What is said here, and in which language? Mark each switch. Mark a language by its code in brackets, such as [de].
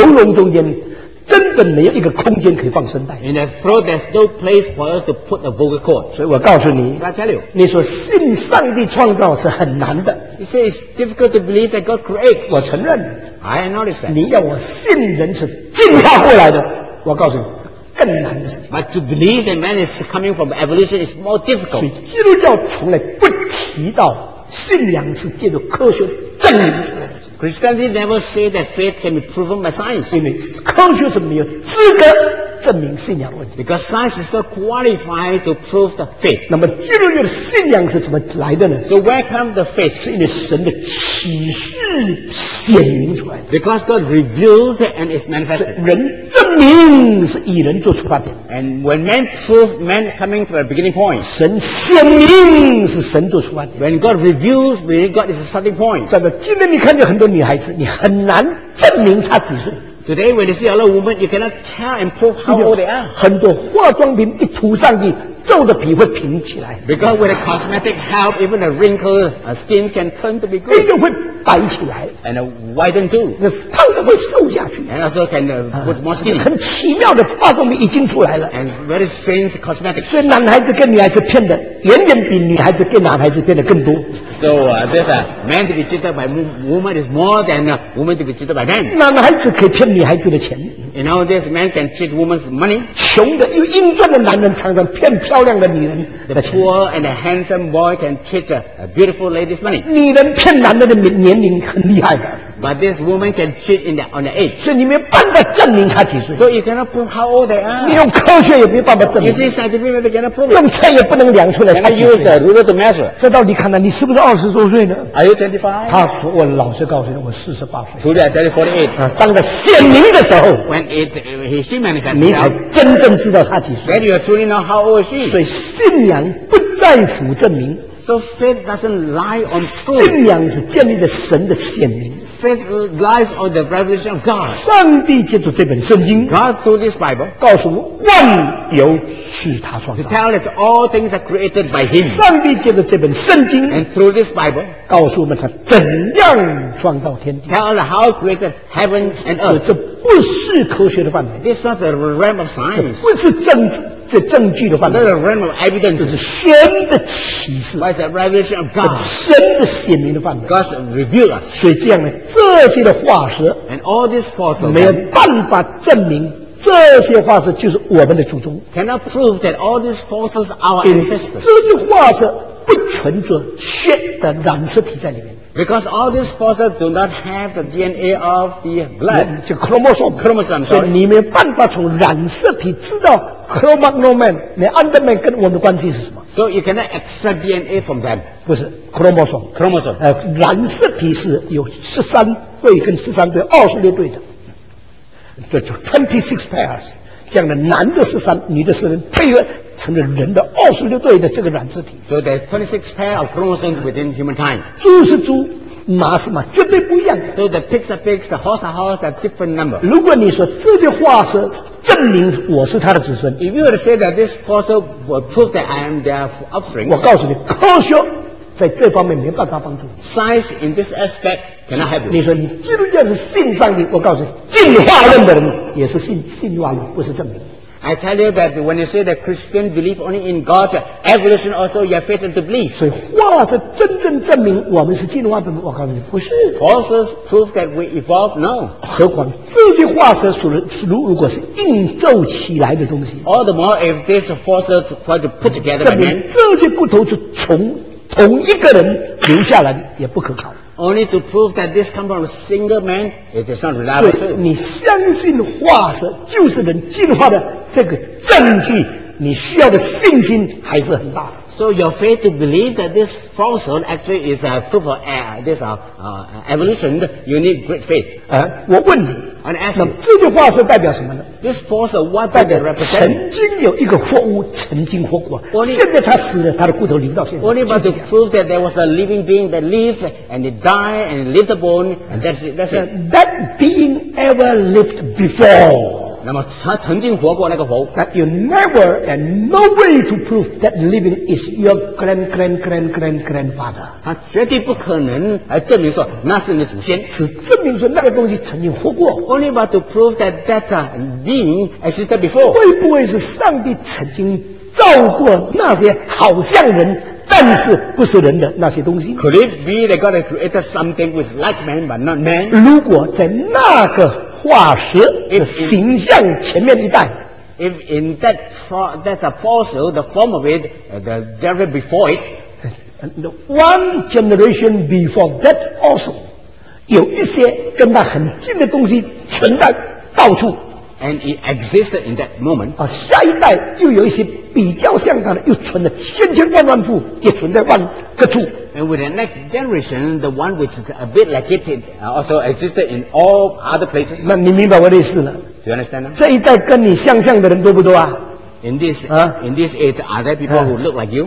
[zh] 喉咙中间根本没有一个空间可以放声带 [en] In the throat there's no place for us to put a vocal cord [zh] 所以我告诉你 [en] I tell you [zh] 你说信上帝创造是很难的 [en] You say it's difficult to believe that God creates [zh] 我承认 [en] I acknowledge that [zh] 你要我信人是进化过来的我告诉你更难的事 [en] But to believe that man is coming from evolution is more difficult [zh] 所以基督教从来不提到信仰是借着科学证明出来的 [en] Christianity never say that faith can be proven by science [zh] 因为科学是没有资格证明信仰问题 [en] Because science is not qualified to prove the faith [zh] 那么基督教的信仰是怎么来的呢 [en] So where comes the faith [zh] 是因为神的启示显明出来 [en] Because God revealed and is manifested [zh] 人证明是以人做出发点 [en] And when man proved man coming to a beginning point [zh] 神显明是神做出发点 [en] When God reveals when God is a starting point [zh] 今天你看见很多女孩子你很难证明她几岁 [en] Today, when you see a lot of women, you cannot tell and prove how old they are. [zh] 很多化妆品一涂上去，皱的皮会平起来。 [en] Because with a cosmetic help, even a wrinkled skin can turn to be good. [zh] 皮肉会白起来 [en] ，and widen too. [zh] 那胖的会瘦下去 [en] ，and also can put more skin. [zh] 很奇妙的化妆品已经出来了 [en] ，and very strange cosmetic. [zh] 所以男孩子跟女孩子骗的，远远比女孩子跟男孩子骗的更多。 [en] So there's a man to be cheated by woman is more than a woman to be cheated by man. [zh] 男孩子可以骗女孩子的钱。 [en] You know, this man can cheat woman's money. [zh] 穷的又英俊的男人常常骗漂亮的女人的钱。 [en] The poor and a handsome boy can cheat a beautiful lady's money. [zh] 女人骗男人的年龄很厉害的。 [en] But this woman can cheat in the, on the age. [zh] 所以你没有办法证明她几岁。 [en] So you cannot prove how old they are. [zh] 你用科学也没办法证明。 [en] You see, scientific method cannot prove. [zh] 用秤也不能量出来。 [en] Can I use the ruler to measure? [zh] 这到底看来你是不是20多岁呢 [en] ？Are you 25? [zh] 他说我老实告诉你，我48岁。 [en] Truly, I'm 48. [zh] 当他显明的时候 [en] ，When it he see manifest, [zh] 你才真正知道他几岁。 [en] Then you truly know how old she. [zh] 所以信仰不在乎证明。 [en] So faith doesn't lie on proof. [zh] 信仰是建立在神的显明。 [en] Faith lies on the revelation of God. [zh] 上帝借着这本圣经 [en] ，God through this Bible， [zh] 告诉我万有是他创造。 [en] To tell us all things are created by Him. [zh] 上帝借着这本圣经 [en] ，And through this Bible， [zh] 告诉我们他怎样创造天地。 [en] Tell us how created heaven and earth. [zh] 这不是科学的范围。 [en] This is not the realm of science. [zh] 不是政治。这证据的话 [en] 呢 ，the realm of evidence [zh] 是神的启示 [en] ，by the revelation of God， [zh] 神的显明的范围 [en] ，God's reveal， [zh] 所以这样呢，这些的化石 [en] ，and all these fossils [zh] 没有办法证明这些化石就是我们的祖宗 [en] ，cannot prove that all these fossils are our ancestors， [zh] 这些化石不存着血的染色体在里面。 [en] Because all these fossils do not have the DNA of the blood, [zh] 就 chromosome, 所以你没办法从染色体知道 chromosome, 你 underman 跟我们的关系是什么 [en] ？So you cannot extract DNA from them. [zh] 不是 chromosome, [en] chromosome. [zh] 染色体是有13对跟13对，26对的，这就 [en] 26 pairs。 [zh] 这样的男的13，女的4人配合成了人的26对的这个染色体。 [en] So there's 26 pairs of chromosomes within humankind. [zh] 猪是猪，马是马，绝对不一样。 [en] So the pigs are pigs, the horse are horse, they're different number. [zh] 如果你说这些化石证明我是他的子孙 [en] ，If you were to say that this fossil will prove that I am their offspring, [zh] 我告诉你，科学在这方面没办法帮助。 [en] Science in this aspect cannot help you. [zh] 你说你基督教是信上帝，我告诉你，进化论的人也是信化论，不是证明。 [en] I tell you that when you say that Christian believe only in God, evolution also you are fated to believe. [zh] 所以化石真正证明我们是进化的，我告诉你不是。 [en] Fossils prove that we evolved? No. [zh] 何况这些化石如果是硬凑起来的东西。 [en] All the more if these fossils were put together, [zh] 证明这些骨头是从同一个人留下来也不可靠。 [en] Only to prove that this comes from a single man, it is not reliable. [zh] 所以你相信化石就是人进化的这个证据，你需要的信心还是很大的。 [en] So your faith to believe that this fossil actually is a proof of evolution, you need great faith. [zh] 我问你。 [en] And ask you, [zh] 那这句话是代表什么呢 [en] ？This fossil what does it represent? [zh] 曾经有一个活物，曾经活过。 [en] Only, [zh] 现在他死了，他的骨头留到现在。 [en] Only but to prove that there was a living being that lived and it died and it lived the bone. And that's it. That being ever lived before. [zh] 那么他曾经活过那个活物。 [en] That you never and no way to prove that living is your grandfather. [zh] 他绝对不可能来证明说那是你的祖先，只证明说那个东西曾经活过。 [en] Only but to prove that that being existed before. [zh] 会不会是上帝曾经造过那些好像人但是不是人的那些东西？ [en] Could it be that God created something with like man but not man? [zh] 如果在那个化石的形象前面一带 [en] if in that fossil, the form of it, the very before it, one generation before that also, [zh] 有一些跟它很近的东西存在到处 [en] and it existed in that moment, [zh] 下一代又有一些比较像它的又存了千千万万处，也存在万个处。 [en] And with the next generation, the one which is a bit like it, it also existed in all other places. [zh] 那你明白我的意思了 [en] ？Do you understand? [zh] 这一代跟你相像的人多不多啊 [en] ？In this age, are there people who look like you?